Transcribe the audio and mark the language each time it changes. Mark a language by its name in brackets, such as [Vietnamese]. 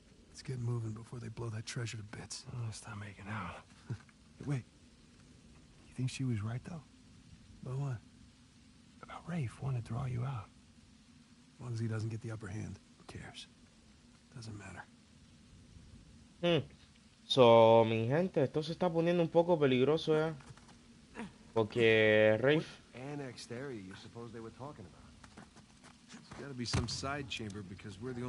[English] Let's get moving before they blow that treasure to bits. Oh, stop making out. Hey, wait. You think she was right, though? About what? Rafe wanted to draw you out. As long as he doesn't get the upper hand. Who cares? Doesn't matter. [Spanish] So, mi gente, esto se está poniendo un poco peligroso, ¿eh? Porque Rafe... [English] What annexed area you suppose they were talking about? It's gotta be some side chamber because we're the only